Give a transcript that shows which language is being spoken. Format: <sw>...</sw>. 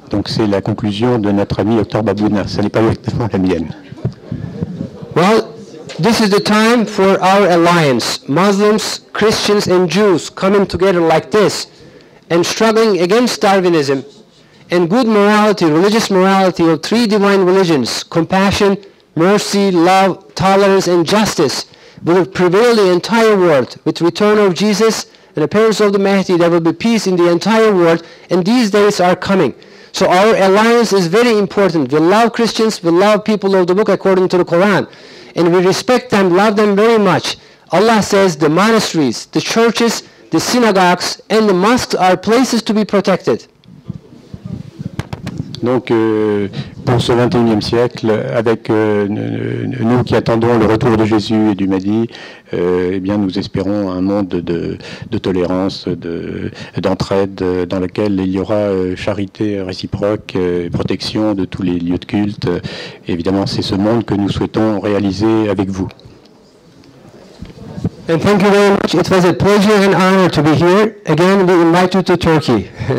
<fr>Donc c'est la conclusion de notre ami Dr Babouna, ce n'est pas exactement la mienne.</fr> <en>Well, this is the time for our alliance. Muslims, Christians and Jews coming together like this and struggling against Darwinism. And good morality, religious morality of 3 divine religions, compassion, mercy, love, tolerance, and justice, will prevail the entire world. With the return of Jesus and appearance of the Mahdi, there will be peace in the entire world, and these days are coming. So our alliance is very important. We love Christians, we love people of the book according to the Quran, and we respect them, love them very much. Allah says the monasteries, the churches, the synagogues, and the mosques are places to be protected.</en> <fr>Donc, pour ce 21e siècle, avec nous qui attendons le retour de Jésus et du Mahdi, nous espérons un monde de tolérance, d'entraide, dans lequel il y aura charité réciproque, protection de tous les lieux de culte. Et évidemment, c'est ce monde que nous souhaitons réaliser avec vous.</fr> <en>And thank you very much. It was a pleasure and honor to be here. Again, we invite you to Turkey.</en>